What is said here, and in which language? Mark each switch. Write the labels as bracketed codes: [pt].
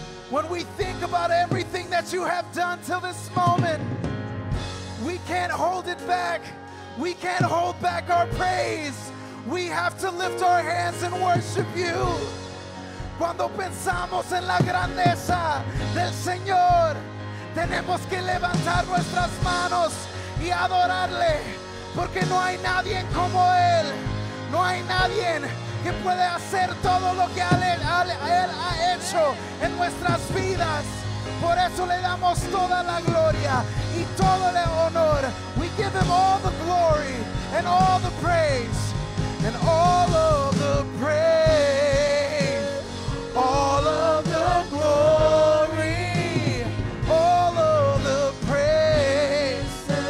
[en] When we think about everything that you have done till this moment, we can't hold it back. We can't hold back our praise. We have to lift our hands and worship you. [es] Cuando pensamos en la grandeza del Señor, tenemos que levantar nuestras manos y adorarle, porque no hay nadie como él. No hay nadie que puede hacer todo lo que él ha hecho en nuestras vidas. Por eso le damos toda la gloria y todo el honor. [en] We give him all the glory and all the praise and all of the praise, all of the glory, all of the praise,